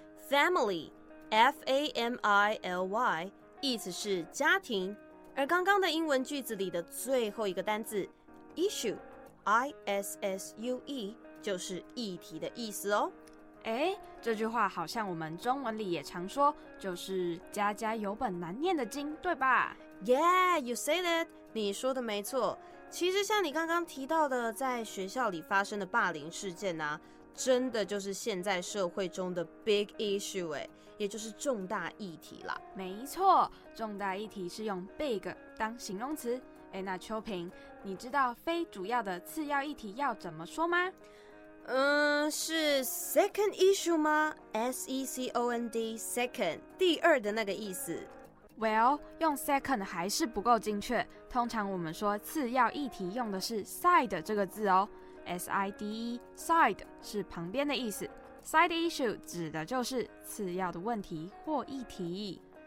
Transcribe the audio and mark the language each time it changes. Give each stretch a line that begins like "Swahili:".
Chinese: Family， F-A-M-I-L-Y， 意思是家庭。而刚刚的英文句子里的最后一个单字 issue， I-S-S-U-E， 就是议题的意思哦。哎，这句话好像我们中文里也常说，就是家家有本难念的经，对吧？
English: Yeah， you say that，
Chinese: 你说的没错。其实像你刚刚提到的，在学校里发生的霸凌事件啊，真的就是现在社会中的 big issue， 也就是重大议题啦。没错，重大议题是用 big 当形容词。哎，那秋萍，你知道非主要的次要议题要怎么说吗？是 second issue 吗？ S-E-C-O-N-D， second， 第二的那个意思。 Well， 用 second 还是不够精确，通常我们说次要议题用的是 side 这个字哦。 S-I-D-E， side 是旁边的意思， side issue 指的就是次要的问题或议题。